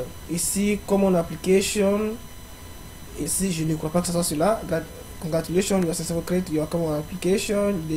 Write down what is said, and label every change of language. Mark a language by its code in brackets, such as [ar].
[fr] Ici, common application. Ici, je ne crois pas que ce soit cela. [en] Congratulations, you have successfully created your common application.